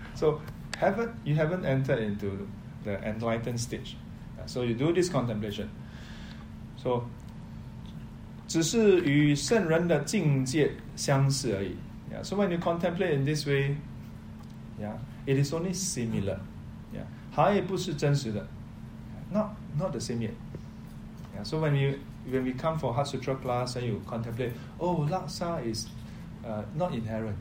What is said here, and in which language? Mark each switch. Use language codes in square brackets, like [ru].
[en] So, you haven't entered into the enlightened stage. So, you do this contemplation. [zh] So, 只是与圣人的境界相似而已. [en] Yeah, so when you contemplate in this way, yeah, it is only similar. [zh] Yeah, 还不是真实的. [en] Not the same yet. Yeah, so when we come for Heart Sutra class and you contemplate, oh, laksa is not inherent.